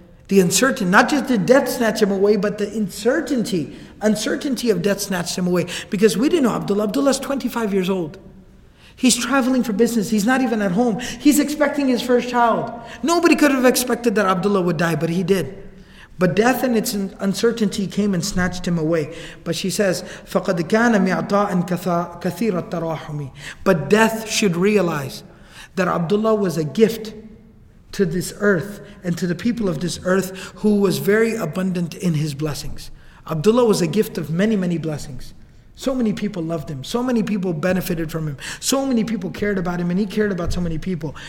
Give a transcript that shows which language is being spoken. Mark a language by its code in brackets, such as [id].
[en] The uncertainty, not just did death snatch him away, but the uncertainty of death snatched him away. Because we didn't know Abdullah. Abdullah's 25 years old. He's traveling for business. He's not even at home. He's expecting his first child. Nobody could have expected that Abdullah would die, but he did. But death and its uncertainty came and snatched him away. But she says, [ar] فَقَدْ كَانَ مِعْطَاءً كَثِيرَ التَّرَاحُمِ. [en] But death should realize that Abdullah was a gift to this earth and to the people of this earth, who was very abundant in his blessings. Abdullah was a gift of many, many blessings. So many people loved him. So many people benefited from him. So many people cared about him, and he cared about so many people.